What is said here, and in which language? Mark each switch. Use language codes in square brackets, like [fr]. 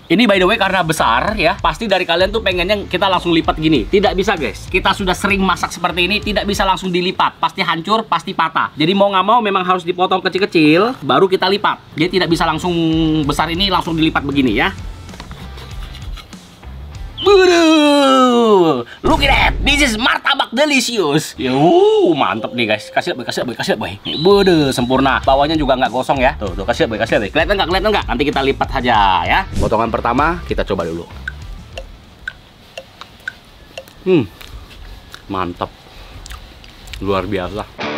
[id] Ini by the way karena besar ya, pasti dari kalian tuh pengennya kita langsung lipat gini. Tidak bisa guys. Kita sudah sering masak seperti ini, tidak bisa langsung dilipat. Pasti hancur, pasti patah. Jadi mau nggak mau memang harus dipotong kecil-kecil, baru kita lipat. Jadi tidak bisa langsung besar ini langsung dilipat begini ya. [en] Bede. Look at that. This is martabak delicious. [id] Mantap nih guys. Kasih lihat, boy. Bude, sempurna. Bawahnya juga nggak gosong ya. Tuh, kasih lihat, boy. Kelihatan nggak? Nanti kita lipat aja ya. Potongan pertama, kita coba dulu. Mantap. Luar biasa.